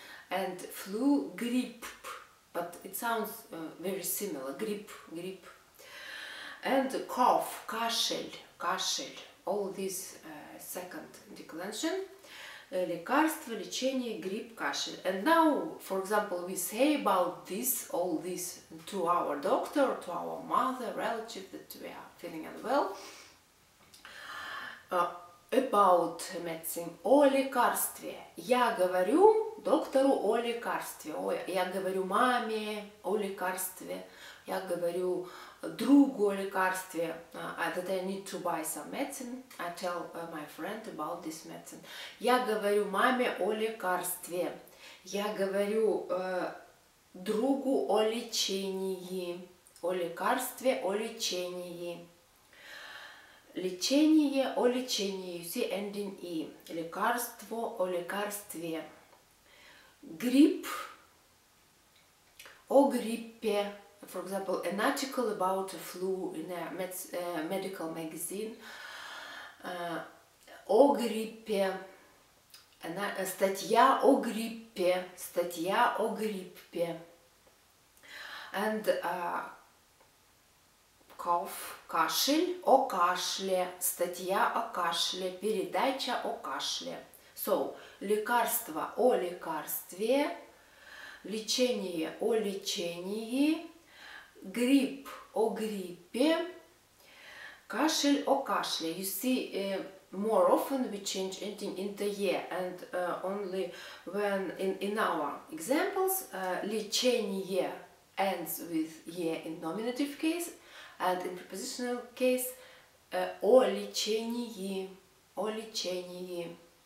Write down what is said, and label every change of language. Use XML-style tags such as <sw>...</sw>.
<en>And flu, grip. But it sounds very similar, grip, grip. And cough,</en> <ru>кашель, кашель.</ru> <en>All this second declension.</en> <ru>Лекарство, лечение, грипп, кашель.</ru> <en>And now, for example, we say about this, all this, to our doctor, to our mother, relative, that we are feeling unwell. About medicine.</en> <ru>О лекарстве. Я говорю доктору о лекарстве. О, я говорю маме о лекарстве. Я говорю другу о лекарстве.</ru> <en>That I need to buy some medicine. I tell my friend about this medicine.</en> <ru>Я говорю маме о лекарстве. Я говорю другу о лечении. О лекарстве, о лечении. лечение, о лечении,</ru> <en>you see, ending E.</en> <ru>Лекарство, о лекарстве. Грипп, о гриппе.</ru> <en>For example, an article about a flu in a medical magazine.</en> <ru>О гриппе. Статья о гриппе. Статья о гриппе.</ru> <en>And cough,</en> <ru>кашель, о кашле, статья о кашле, передача о кашле. So, лекарство о лекарстве, лечение о лечении, грипп о гриппе, кашель о кашле.</ru> <en>You see, more often we change ending into E, and only when in our examples, лечение ends with E in nominative case, and in prepositional case,</en> <ru>о лечении, о лечении.</ru>